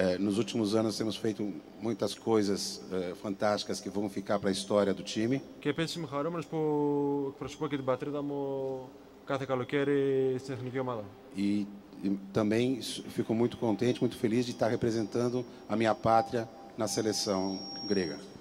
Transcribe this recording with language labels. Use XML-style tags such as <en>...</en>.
<pt>Nos últimos anos temos feito muitas coisas fantásticas que vão ficar para a história do time.</pt> <el>Και επίσης είμαι χαρούμενος που εκπροσωπώ και την πατρίδα μου κάθε καλοκαίρι στην εθνική ομάδα.</el> <pt>E também fico muito contente, muito feliz de estar representando a minha pátria na seleção grega.</pt>